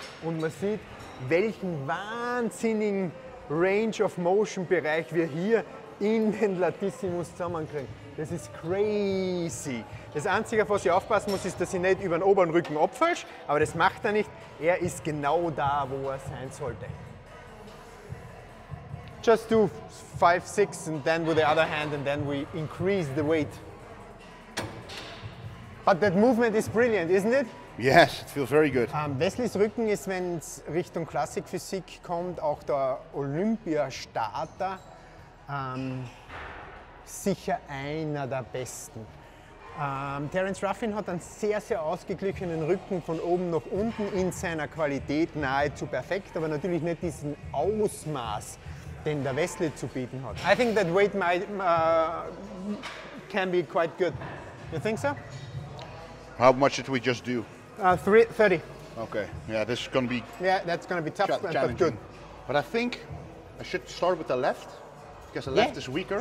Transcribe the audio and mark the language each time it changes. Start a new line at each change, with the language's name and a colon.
German: Und man sieht, welchen wahnsinnigen Range of Motion Bereich wir hier in den Latissimus zusammenkriegen. Das ist crazy. Das Einzige, auf was ich aufpassen muss, ist, dass ich nicht über den oberen Rücken abfalsch, aber das macht er nicht. Er ist genau da, wo er sein sollte.
English: Just do 5, 6 and then with the other hand and then we increase the weight. But that movement is brilliant, isn't it? Yes, it feels very good.
German: Wesleys Rücken ist, wenn es Richtung Klassikphysik kommt, auch der Olympiastarter, sicher einer der besten. Terence Ruffin hat einen sehr, sehr ausgeglichenen Rücken von oben nach unten in seiner Qualität nahezu perfekt, aber natürlich nicht diesen Ausmaß, den der Wesley zu bieten hat.
English: I think that weight might, can be quite good. You think so? How much did we just do? 30. Okay, yeah, this is gonna be... Yeah, that's gonna be tough, but good. But I think I should start with the left, because the left is weaker.